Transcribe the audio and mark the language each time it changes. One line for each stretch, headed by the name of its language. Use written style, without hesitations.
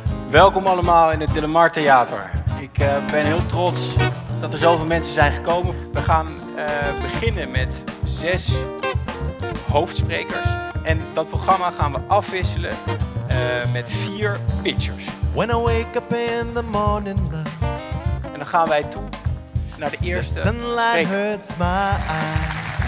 Dutch: Welkom allemaal in het Delemar Theater. Ik ben heel trots dat er zoveel mensen zijn gekomen. We gaan beginnen met 6 hoofdsprekers. En dat programma gaan we afwisselen met 4 pitchers.
English: When I wake up in the morning, love.
Dutch: En dan gaan wij toe naar de eerste spreker.
English: The sunlight hurts my eyes.